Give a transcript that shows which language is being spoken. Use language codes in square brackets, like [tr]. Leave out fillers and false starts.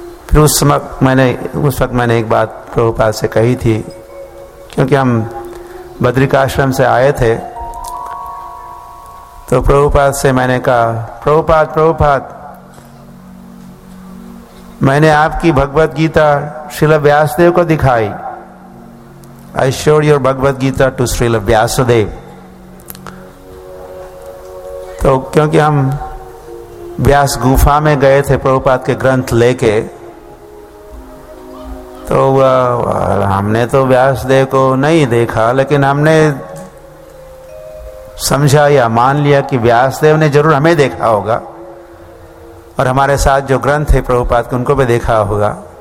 [hi] फिर उस वक्त मैंने एक बात प्रभुपाद से कही थी, क्योंकि हम बद्रिकाश्रम से आए थे तो प्रभुपाद से मैंने कहा, प्रभुपाद मैंने आपकी भगवद गीता श्रील व्यासदेव को दिखाई [en] I showed your Bhagavad Gita to Srila Vyasadeva. [hi] तो क्योंकि हम व्यास गुफा में गए थे प्रभुपाद के ग्रंथ लेके, तो हमने तो व्यास देव को नहीं देखा, लेकिन हमने समझा या मान लिया कि व्यास देव ने जरूर हमें देखा होगा और हमारे साथ जो ग्रंथ है प्रभुपाद के उनको भी देखा होगा।